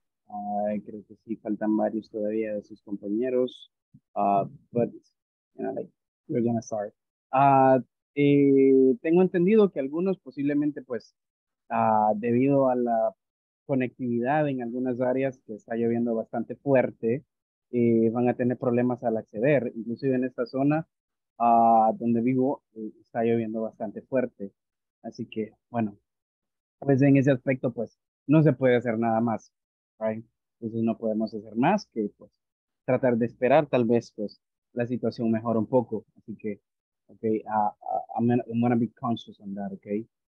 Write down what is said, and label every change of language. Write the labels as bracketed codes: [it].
[es] Creo que sí faltan varios todavía de sus compañeros. [en] But, you know, like, we're going to start. [es] Tengo entendido que algunos posiblemente, pues, debido a la conectividad en algunas áreas que está lloviendo bastante fuerte, van a tener problemas al acceder. Inclusive en esta zona donde vivo, está lloviendo bastante fuerte. Así que, bueno. Pues en ese aspecto, pues, no se puede hacer nada más, right? Entonces no podemos hacer más que, pues, tratar de esperar, tal vez, pues, la situación mejore un poco. Así que, [en] okay, I'm gonna be conscious on that, okay?